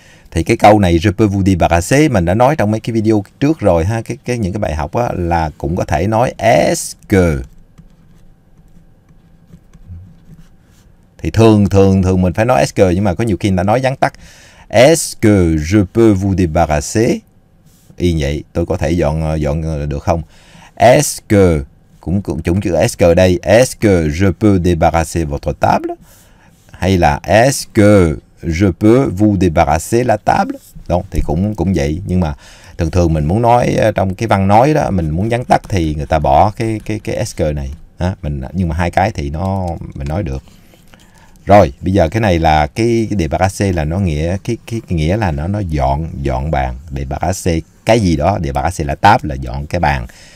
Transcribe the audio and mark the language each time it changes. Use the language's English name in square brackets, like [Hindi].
[Vietnamese] Thì cái câu này [French] je peux vous débarrasser [Vietnamese] mình đã nói trong mấy cái video trước rồi ha. Những cái bài học á, là cũng có thể nói [French] est-ce que. [Vietnamese] Thì thường mình phải nói [French] est-ce que, [Vietnamese] nhưng mà có nhiều khi người ta nói vắn tắt. [French] Est-ce que je peux vous débarrasser? [Vietnamese] Y như vậy, tôi có thể dọn được không? [French] Est-ce que, [Vietnamese] cũng chủng chữ [French] est-ce que [Vietnamese] đây. [French] Est-ce que je peux débarrasser votre table? Hay là est-ce que je peux vous débarrasser la table? [Vietnamese] Đó, thì cũng vậy. Nhưng mà thường thường mình muốn nói trong cái văn nói đó, mình muốn vắn tắt thì người ta bỏ cái [French] est-ce que [Vietnamese] này. À, nhưng mà hai cái thì nó mình nói được. Rồi, bây giờ cái này là cái débarrasser là nó nghĩa cái nghĩa là nó dọn bàn, débarrasser cái gì đó, débarrasser là táp là dọn cái bàn.